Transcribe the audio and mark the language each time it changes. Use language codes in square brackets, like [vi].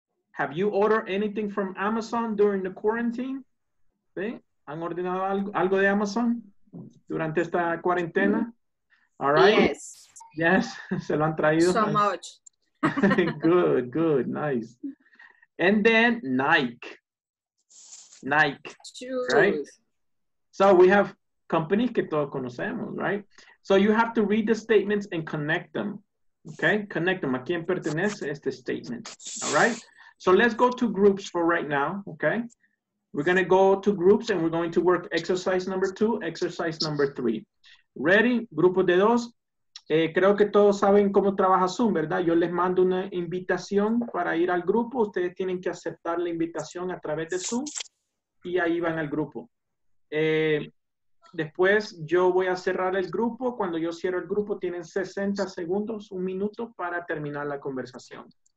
[en] Have you ordered anything from Amazon during the quarantine? [es] ¿Sí? ¿Han ordenado algo de Amazon durante esta cuarentena? [en] Mm-hmm. All right. Yes. Yes, [es] se lo han traído. [en] So much. good, nice. And then Nike. Shoes. Right? So we have companies [es] que todos conocemos, [en] right? So you have to read the statements and connect them. Okay, connect them. [es] ¿A quién pertenece este statement? [en] All right. So let's go to groups for right now, okay? We're going to go to groups and we're going to work exercise number two, exercise number three. Ready? [es] Grupo de dos. Creo que todos saben cómo trabaja Zoom, ¿verdad? Yo les mando una invitación para ir al grupo. Ustedes tienen que aceptar la invitación a través de Zoom y ahí van al grupo. Después yo voy a cerrar el grupo. Cuando yo cierro el grupo, tienen 60 segundos, un minuto para terminar la conversación.